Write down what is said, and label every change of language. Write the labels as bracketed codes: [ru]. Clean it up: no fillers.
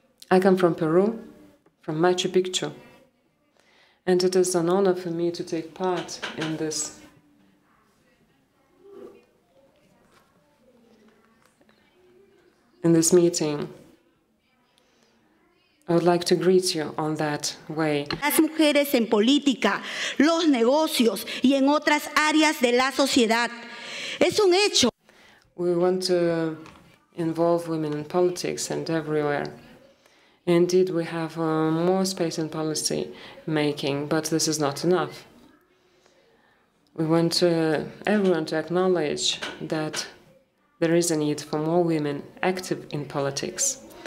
[en] I come from Peru, from Machu Picchu, and it is an honor for me to take part in this meeting. I would like to greet you on that way. [es] Las mujeres en política, los negocios y en otras áreas de la sociedad. Es un hecho. [en] We want to involve women in politics and everywhere. Indeed, we have more space in policy making, but this is not enough. We want everyone to acknowledge that there is a need for more women active in politics.